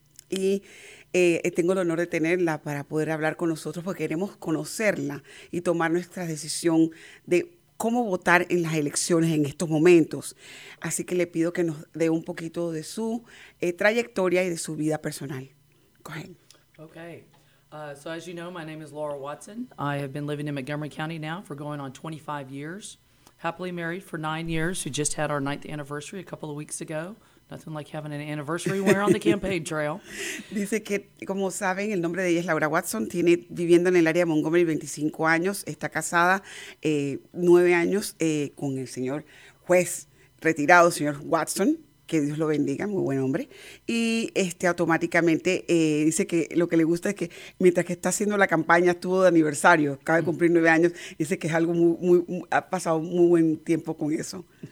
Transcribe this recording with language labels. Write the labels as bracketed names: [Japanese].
[Spanish] Y tengo el honor de tenerla para poder hablar con nosotros porque queremos conocerla y tomar nuestra decisión de cómo votar en las elecciones en estos momentos. Así que le pido que nos dé un poquito de su trayectoria y de su vida personal. [English] Go ahead. Okay. So as you know, my name is Laura Watson. I have been living in Montgomery County now for going on 25 years. Happily married for 9 years. We just had our 9th anniversary a couple of weeks ago. Nothing like having an anniversary when we're on the campaign trail. [Spanish] Dice que, como saben, el nombre de ella es Laura Watson. Tiene viviendo en el área de Montgomery 25 años. Está casada 9 años con el señor juez retirado, señor Watson. Que Dios lo bendiga, muy buen hombre. Y automáticamente dice que lo que le gusta es que mientras que está haciendo la campaña, estuvo de aniversario, acaba de cumplir 9 años, dice que es algo muy, muy, ha pasado muy buen tiempo con eso.